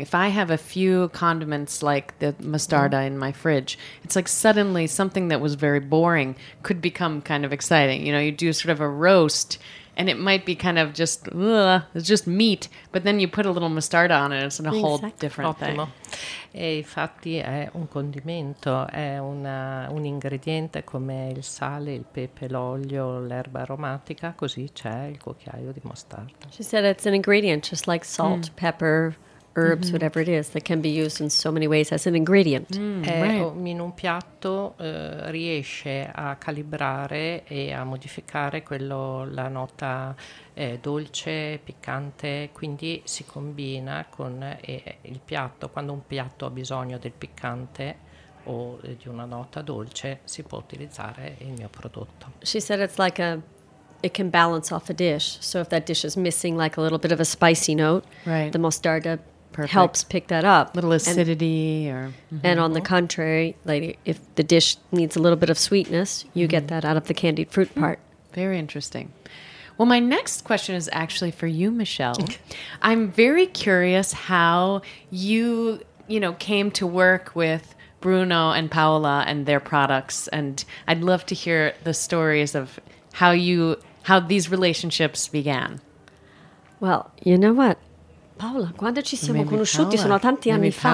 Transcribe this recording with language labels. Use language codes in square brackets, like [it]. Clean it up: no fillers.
[en] If I have a few condiments like the mostarda in my fridge, it's like suddenly something that was very boring could become kind of exciting. You know, you do sort of a roast and it might be kind of just, it's just meat, but then you put a little mostarda on it and it's in a whole different [it] Ottimo. [en] Thing. [it] E infatti è un condimento, è un ingrediente come il sale, il pepe, l'olio, l'erba aromatica, così c'è il cucchiaio di mostarda. [en] She said it's an ingredient, just like salt, pepper, herbs, whatever it is, that can be used in so many ways as an ingredient. [it] In un piatto riesce a calibrare e a modificare la nota dolce, piccante, quindi si combina con il piatto. Quando un piatto ha bisogno del piccante o di una nota dolce, si può utilizzare il mio prodotto. [en] She said it's like it can balance off a dish. So if that dish is missing like a little bit of a spicy note, the mostarda perfect. Helps pick that up. A little acidity And on the contrary, like if the dish needs a little bit of sweetness, you get that out of the candied fruit part. Very interesting. Well, my next question is actually for you, Michelle. I'm very curious how you came to work with Bruno and Paola and their products. And I'd love to hear the stories of how these relationships began. Well, you know what? [it] Paola, quando ci siamo Maybe conosciuti, Paola. Sono tanti anni Maybe fa,